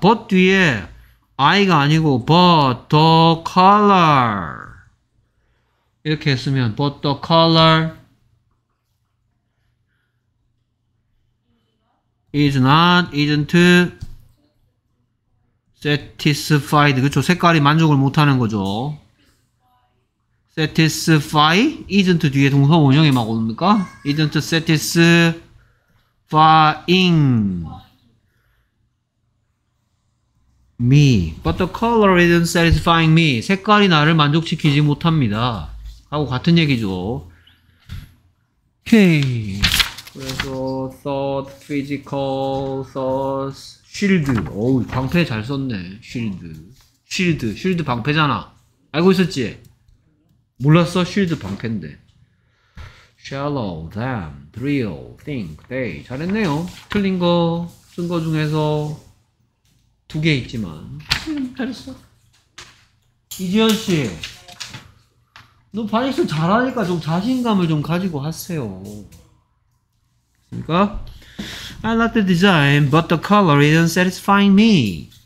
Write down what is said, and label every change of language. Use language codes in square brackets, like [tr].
[en] But [ko] 뒤에 [en] I가 [ko] 아니고 [en] but the color [ko] 이렇게 했으면 [en] but the color is not, isn't satisfied [ko] 그쵸? 색깔이 만족을 못하는 거죠. [en] satisfy isn't [ko] 뒤에 동사 원형이 막 오니까 [en] isn't satisfying 미, but the color isn't satisfying me. [ko] 색깔이 나를 만족시키지 못합니다. 하고 같은 얘기죠. 오케이. 그래서 [en] thought, physical, thoughts, shield. [ko] 어우, 방패 잘 썼네. shield 방패잖아. 알고 있었지? 몰랐어? shield 방패인데. [en] shallow, damn, thrill, think, day. [ko] 잘했네요. 틀린 거쓴거 중에서. 두개 있지만 잘했어. 이지현 씨, 너 발음 잘하니까 좀 자신감을 좀 가지고 하세요. 됐습니까? [en] I like the design, but the color isn't satisfying me.